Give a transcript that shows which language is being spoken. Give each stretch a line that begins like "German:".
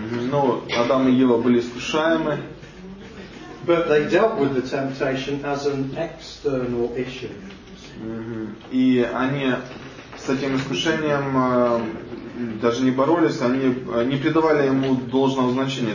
Russian: Но Адам и Ева были искушаемы.
English: But they dealt with the temptation as an external issue.
Russian: И они с этим искушением даже не боролись, они не придавали ему должного значения.